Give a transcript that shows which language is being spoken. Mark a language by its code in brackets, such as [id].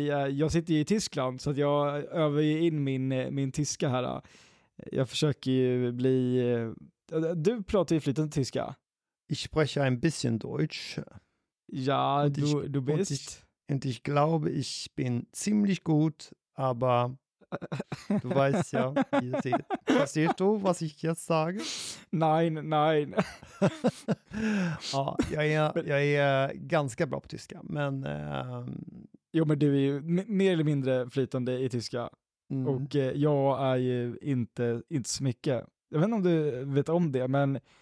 [sv] Jag sitter ju i Tyskland, så att jag övar ju in min tyska här. Jag försöker ju bli... Du pratar ju flytande tyska. [de] Ich spreche ein bisschen Deutsch. Ja, du bist. Und ich glaube, ich bin ziemlich gut, aber du weißt ja, wie es ist. Verstehst du, was ich jetzt sage? Nein. [sv] jag är ganska bra på tyska, men... Jo, men du är ju mer eller mindre flytande i tyska. Mm. Och jag är ju inte så mycket. Jag vet inte om du vet om det, men...